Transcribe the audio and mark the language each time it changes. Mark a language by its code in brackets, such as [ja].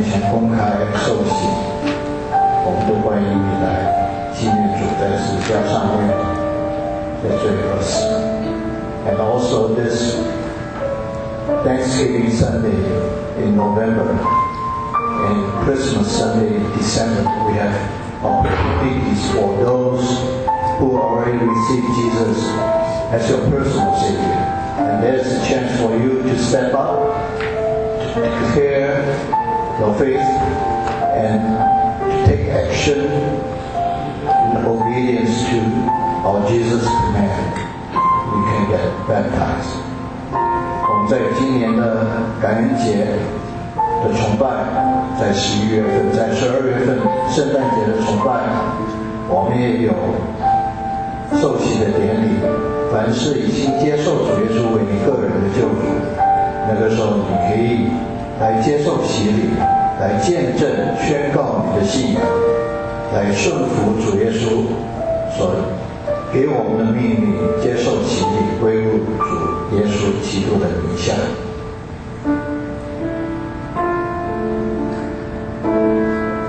[zh] 公开受洗，我们都欢迎你来纪念主在十字架上面的罪和死。 [en] And also this Thanksgiving Sunday in November and Christmas Sunday in December, we have opportunities for those who already received Jesus as your personal Savior. And there's a chance for you to step up, to declare your faith and to take action in obedience to our Jesus' command. You can get baptized. [zh] 在今年的感恩节的崇拜，在十一月份，在十二月份圣诞节的崇拜，我们也有受洗的典礼。凡是已经接受主耶稣为你个人的救主，那个时候你可以来接受洗礼，来见证宣告你的信仰，来顺服主耶稣所给我们的命令，接受洗礼，归入主耶稣基督的名下。